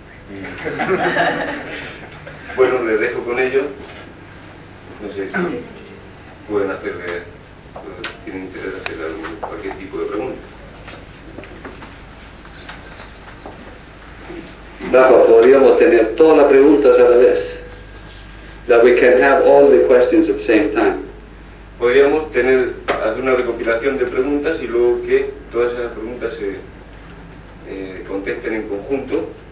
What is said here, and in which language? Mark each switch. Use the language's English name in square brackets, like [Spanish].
[Spanish] Y... bueno, les dejo con ellos. No sé si pueden hacerle, tienen interés de hacerle cualquier tipo de pregunta. Rafa, podríamos tener todas las preguntas a la vez. [English] That we can have all the questions at the same time. [Spanish] Podríamos tener, hacer una recopilación de preguntas y luego que todas esas preguntas se contesten en conjunto.